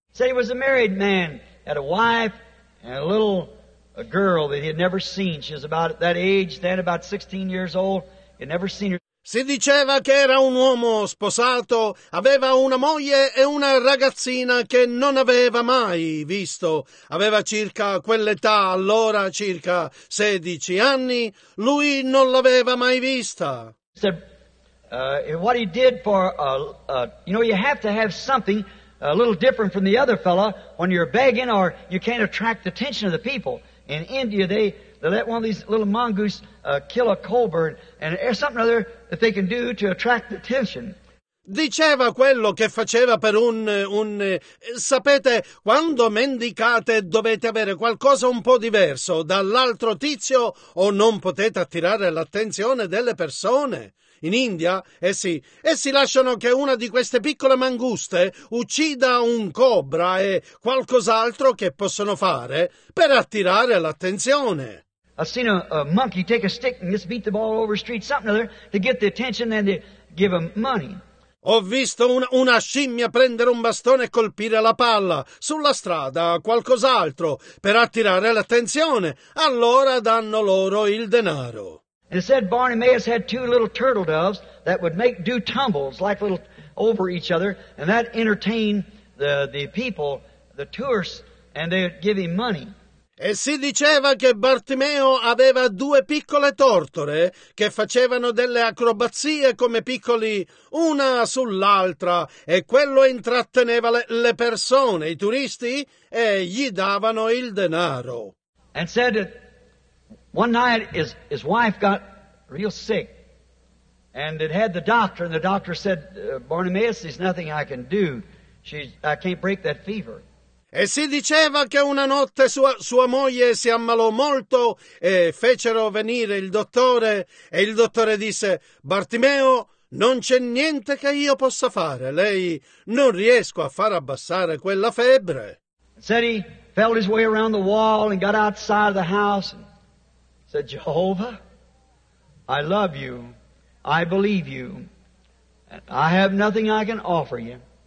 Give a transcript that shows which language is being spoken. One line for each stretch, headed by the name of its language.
English: So he was a married man, had a wife and a little girl that he had never seen. She was about that age, then about 16 years old, he had never seen her.
Italian: Si diceva che era un uomo sposato, aveva una moglie e una ragazzina che non aveva mai visto. Aveva circa quell'età, allora circa 16 anni. Lui non l'aveva mai vista.
English: Said, What he did for, you know, you have to have something a little different from the other fella when you're begging, or you can't attract the attention of the people. In India, they let one of these little mongoose kill a cobra, and there's something or other that they can do to attract the attention.
Italian: Diceva quello che faceva per un sapete, quando mendicate dovete avere qualcosa un po' diverso dall'altro tizio o non potete attirare l'attenzione delle persone. In India, essi lasciano che una di queste piccole manguste uccida un cobra e qualcos'altro che possono fare per attirare l'attenzione.
English: I've seen a monkey take a stick and just beat the ball over the street, something or other, to get the attention and to give him money.
Italian: Ho visto una scimmia prendere un bastone e colpire la palla sulla strada, qualcos'altro, per attirare l'attenzione. Allora danno loro il denaro.
English: And it said Barnabas had two little turtle doves that would make do tumbles like little over each other, and that entertained the people, the tourists, and they'd give him money.
Italian: E si diceva che Bartimeo aveva due piccole tortore che facevano delle acrobazie come piccoli una sull'altra, e quello intratteneva le persone, i turisti, e gli davano il denaro.
English: And said that one night his wife got real sick, and it had the doctor, and the doctor said, Bartimeus, there's nothing I can do. I can't break that fever.
Italian: E si diceva che una notte sua moglie si ammalò molto e fecero venire il dottore, e il dottore disse, Bartimeo, non c'è niente che io possa fare, lei non riesco a far abbassare quella febbre.
English: Said he felt his way around the wall and got outside of the house and said, Jehovah, I love you, I believe you, and I have nothing I can offer you.